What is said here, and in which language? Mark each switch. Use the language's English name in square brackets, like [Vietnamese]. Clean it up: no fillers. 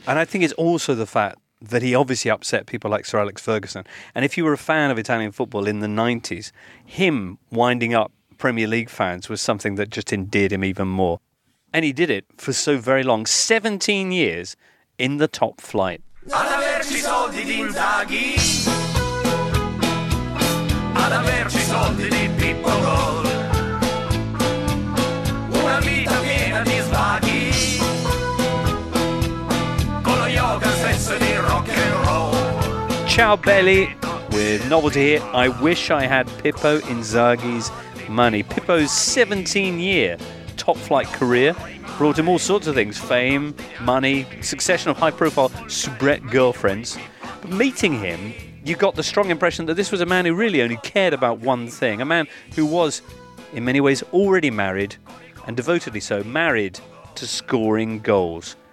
[English] Yeah, and I think it's also the fact that he obviously upset people like Sir Alex Ferguson. And if you were a fan of Italian football in the 90s, him winding up Premier League fans was something that just endeared him even more. And he did it for so very long, 17 years in the top flight. [Italian] Ad averci soldi di Inzaghi, ad averci soldi di Pippo Gol, una vita piena di svaghi, con lo yoga, sesso di rock and roll. Ciao belli, [English] with novelty here, I wish I had Pippo Inzaghi's money. Pippo's 17-year top flight career brought him all sorts of things: fame, money, succession of high-profile soubrette girlfriends. But meeting him, you got the strong impression that this was a man who really only cared about one thing, a man who was, in many ways, already married, and devotedly so, married to scoring goals.